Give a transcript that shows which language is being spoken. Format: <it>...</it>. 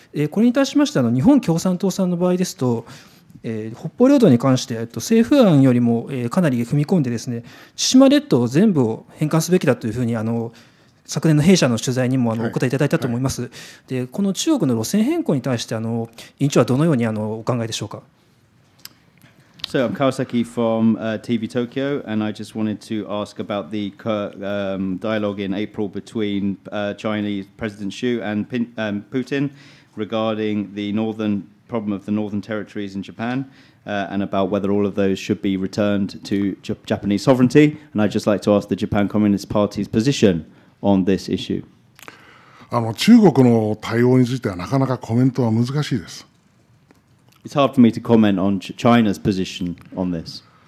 <ja>これに対しまして日本共産党さんの場合ですと、北方領土に関して政府案よりもかなり踏み込んでですね、千島列島を全部を返還すべきだというふうに昨年の弊社の取材にもお答えいただいたと思います。はいはい、でこの中国の路線変更に対して委員長はどのようにお考えでしょうか。</ja> <en>So I'm Kawasaki from TV Tokyo, and I just wanted to ask about the dialogue in April between Chinese President Xi and Putin regarding the northern problem of the northern territories in Japan, and about whether all of those should be returned to Japanese sovereignty. And I'd just like to ask the Japan Communist Party's position. On this issue.</en> <ja>中国の対応についてはなかなかコメントは難しいです。</ja> <en>It's hard for me to comment on China's position on this.</en>